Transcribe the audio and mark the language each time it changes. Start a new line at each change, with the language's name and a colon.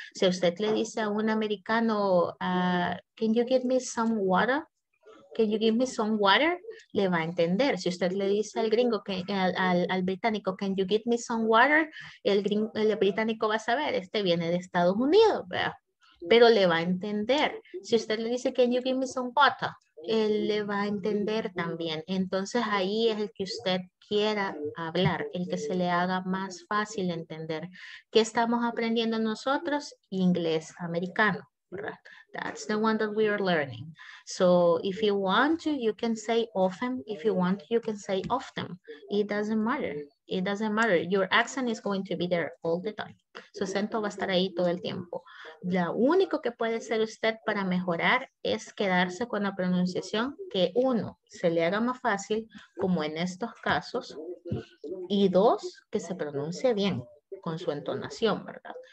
Spanish: Si usted le dice a un americano, can you give me some water? Can you give me some water? Le va a entender. Si usted le dice al gringo, al británico, can you give me some water? El británico va a saber, este viene de Estados Unidos, ¿verdad? Pero le va a entender. Si usted le dice, can you give me some water? Él le va a entender también. Entonces ahí es el que usted quiera hablar, el que se le haga más fácil entender. ¿Qué estamos aprendiendo nosotros? Inglés americano, ¿verdad?
English: That's the one that we are learning. So if you want to, you can say often. If you want, you can say often. It doesn't matter. It doesn't matter. Your accent is going to be there all the time.
Spanish: Su acento va a estar ahí todo el tiempo. Lo único que puede hacer usted para mejorar es quedarse con la pronunciación que uno, se le haga más fácil, como en estos casos, y dos, que se pronuncie bien con su entonación, ¿verdad?